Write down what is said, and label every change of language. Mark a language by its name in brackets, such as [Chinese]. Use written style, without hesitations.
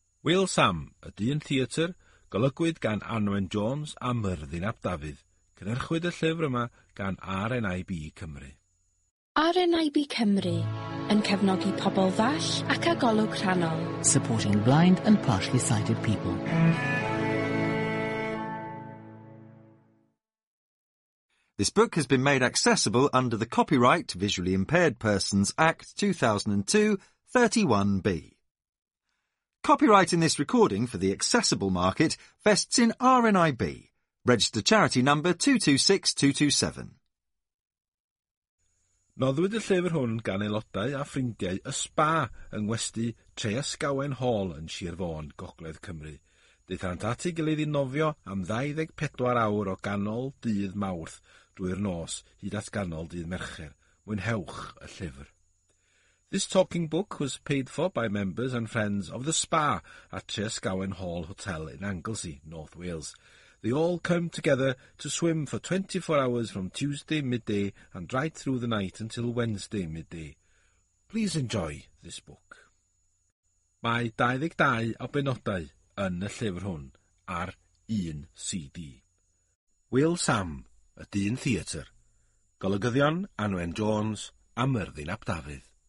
[Welsh] Wil Sam, y dyn theatr, golygwyd gan Anwen Jones a Myrddin Ap Dafydd, cynhyrchwyd y llyfr yma gan RNIB Cymru. RNIB Cymru, yn cefnogi pobl ddall ac agolwg rhanol. [English] Supporting blind and partially sighted people. This book has been made accessible under the Copyright Visually Impaired Persons Act 2002, 31B. Copyright in this recording for the accessible market vests in RNIB. Register charity number 226227. [Welsh] Noddwyd y llyfr hwn gan aelodau a ffrindiau y Spa yng ngwesty Treasgawen Hall yn Sir Fôn, Gogledd Cymru. Daethant at ei gilydd i nofio am 24 awr o ganol dydd Mawrth drwy'r nos hyd at ganol dydd Mercher. Mwynhewch y llyfr. [English] This talking book was paid for by members and friends of the Spa at Treasgawen Hall Hotel in Anglesey, North Wales. They all come together to swim for 24 hours from Tuesday midday and right through the night until Wednesday midday. Please enjoy this book. [Welsh] Mae 22 o benodau yn y llyfr hwn ar un CD. Wil Sam, y dyn theatr. Golygyddion Anwen Jones a Myrddin Ap Dafydd.